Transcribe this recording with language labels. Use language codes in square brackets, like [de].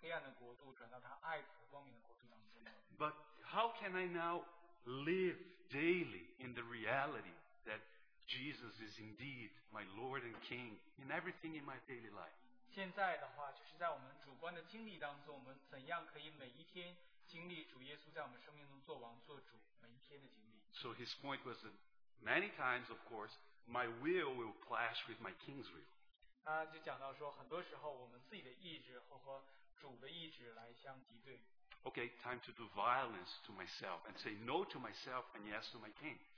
[zh] 我们在位置上面，其实我们已经是从在客观上面，我们已经从黑暗的国度转到他爱和光明的国度当中。 [en] But how can I now live daily in the reality that Jesus is indeed my Lord and King in everything in my daily life? [zh] 现在的话，就是在我们主观的经历当中，我们怎样可以每一天经历主耶稣在我们生命中做王、做主，每一天的经历。 [en] So his point was that many times, of course, my will clash with my King's will. [zh] 他就讲到说，很多时候我们自己的意志和主的意志来相敌对。 [en] Okay, time to do violence to myself and say no to myself and yes to my King.